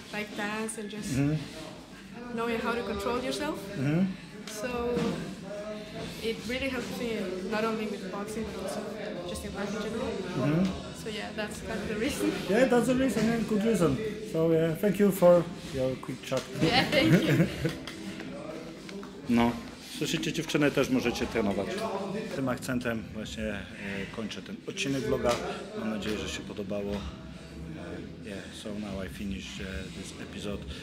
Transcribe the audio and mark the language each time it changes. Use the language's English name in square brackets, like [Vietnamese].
[English] Like dance and just knowing how to control yourself. So it really helped me not only with boxing but also just in life in general. So yeah, that's the reason. Yeah, that's the reason, and good reason. So yeah, thank you for your quick chat. Yeah, thank you. No. [Polish] Słyszycie, dziewczyny, też możecie trenować. Tym akcentem właśnie kończę ten odcinek vloga. Mam nadzieję, że się podobało. [English] Yeah, so now I finished this episode.